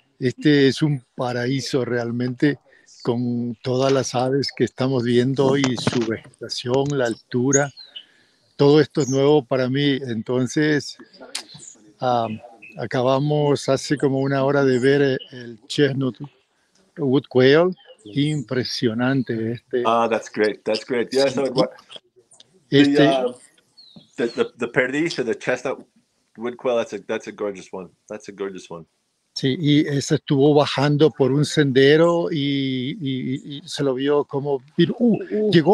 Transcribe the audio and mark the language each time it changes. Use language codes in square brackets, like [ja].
[es] Este es un paraíso realmente. Con todas las aves que estamos viendo y su vegetación, la altura, todo esto es nuevo para mí. Entonces, acabamos hace como una hora de ver el chestnut wood quail. Impresionante este. [en] Ah, that's great. Yeah, so the perdiz, the chestnut wood quail, that's a gorgeous one. That's a gorgeous one. [es] Sí, y ese estuvo bajando por un sendero y se lo vio como llegó.